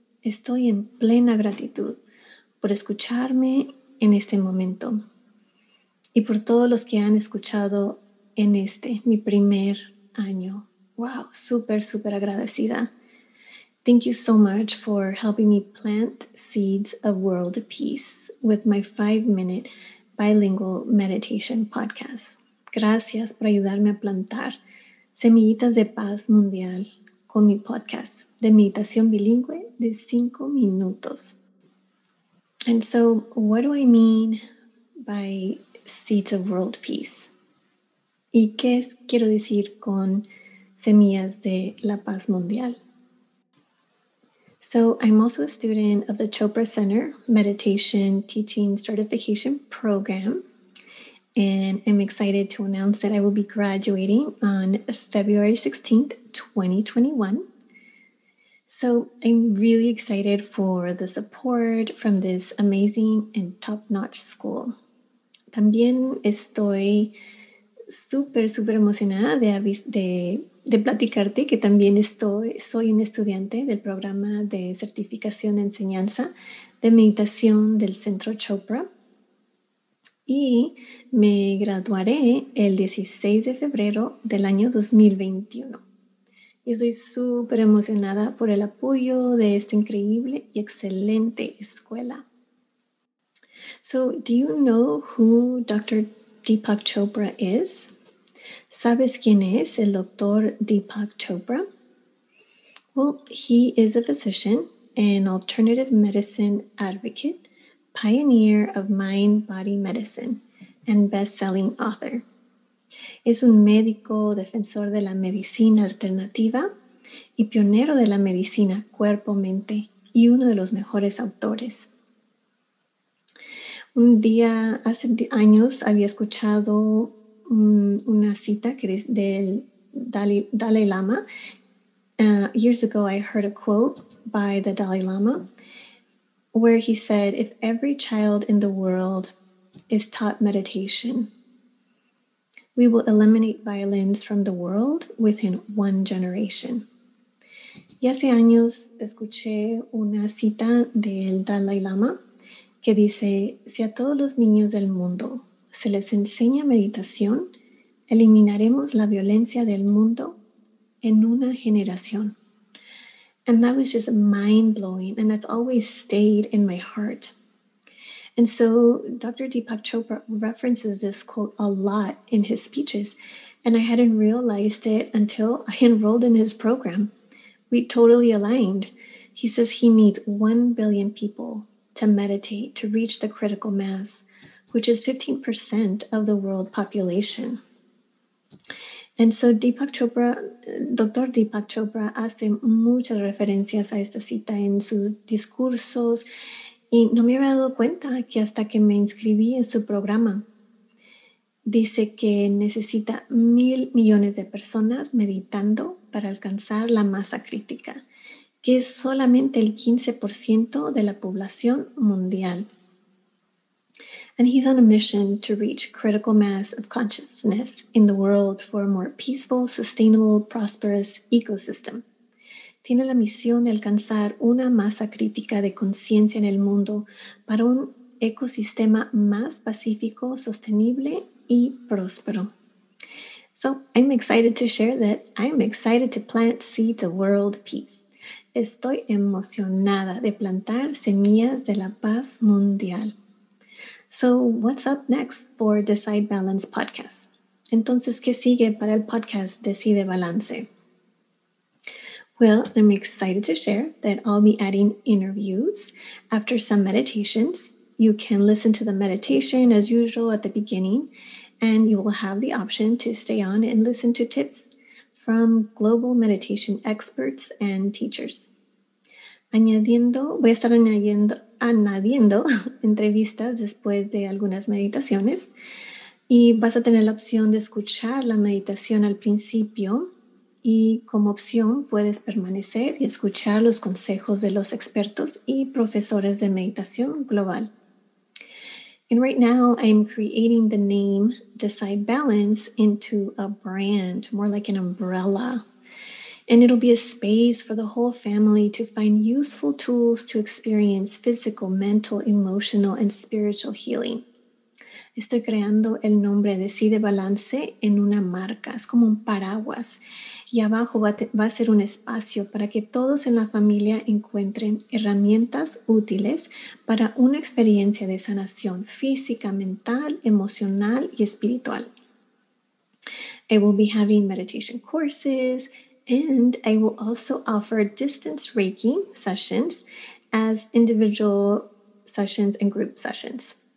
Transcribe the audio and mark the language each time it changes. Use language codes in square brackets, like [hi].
[es] Estoy en plena gratitud por escucharme en este momento y por todos los que han escuchado en este, mi primer año. Wow, súper, súper agradecida. [en] Thank you so much for helping me plant seeds of world peace with my 5-minute bilingual meditation podcast. [es] Gracias por ayudarme a plantar semillitas de paz mundial con mi podcast de meditación bilingüe de 5 minutos. [en] And so, what do I mean by seeds of world peace? [es] ¿Y qué quiero decir con semillas de la paz mundial? [en] So I'm also a student of the Chopra Center Meditation Teaching Certification Program, and I'm excited to announce that I will be graduating on February 16th, 2021. So I'm really excited for the support from this amazing and top-notch school. [es] También estoy súper, súper emocionada de platicarte que también soy un estudiante del programa de certificación de enseñanza de meditación del Centro Chopra y me graduaré el 16 de febrero del año 2021. Y estoy súper emocionada por el apoyo de esta increíble y excelente escuela. [en] So, do you know who Dr. Deepak Chopra is? [es] ¿Sabes quién es el Dr. Deepak Chopra? [en] Well, he is a physician and alternative medicine advocate, pioneer of mind-body medicine, and best-selling author. [es] Es un médico defensor de la medicina alternativa y pionero de la medicina cuerpo-mente y uno de los mejores autores. Un día, hace años, había escuchado una cita del Dalai Lama. [en] Years ago, I heard a quote by the Dalai Lama where he said, if every child in the world is taught meditation, we will eliminate violence from the world within one generation. [es] Y hace años escuché una cita del Dalai Lama que dice, si a todos los niños del mundo se les enseña meditación, eliminaremos la violencia del mundo en una generación. [en] And that was just mind-blowing, and that's always stayed in my heart. And so Dr. Deepak Chopra references this quote a lot in his speeches, and I hadn't realized it until I enrolled in his program. We totally aligned. He says he needs 1 billion people to meditate to reach the critical mass, which is 15% of the world population. And so Dr. [es] Deepak Chopra hace muchas referencias a esta cita en sus discursos y no me había dado cuenta que hasta que me inscribí en su programa, dice que necesita 1,000,000,000 de personas meditando para alcanzar la masa crítica, que es solamente el 15% de la población mundial. [en] And he's on a mission to reach critical mass of consciousness in the world for a more peaceful, sustainable, prosperous ecosystem. [es] Tiene la misión de alcanzar una masa crítica de conciencia en el mundo para un ecosistema más pacífico, sostenible y próspero. [en] So I'm excited to share that I'm excited to plant seeds of world peace. [es] Estoy emocionada de plantar semillas de la paz mundial. [en] So what's up next for Decide Balance podcast? [es] Entonces, ¿qué sigue para el podcast Decide Balance? [en] Well, I'm excited to share that I'll be adding interviews after some meditations. You can listen to the meditation as usual at the beginning, and you will have the option to stay on and listen to tips from global meditation experts and teachers. [es] Añadiendo entrevistas después de algunas meditaciones y vas a tener la opción de escuchar la meditación al principio y como opción puedes permanecer y escuchar los consejos de los expertos y profesores de meditación global. [en] And right now I'm creating the name Decide Balance into a brand, more like an umbrella. And it'll be a space for the whole family to find useful tools to experience physical, mental, emotional, and spiritual healing. [es] Estoy creando el nombre de Decide Balance en una marca. Es como un paraguas. Y abajo va a ser un espacio para que todos en la familia encuentren herramientas útiles para una experiencia de sanación física, mental, emocional y espiritual. [en] I will be having meditation courses and I will also offer distance Reiki sessions as individual sessions and group sessions.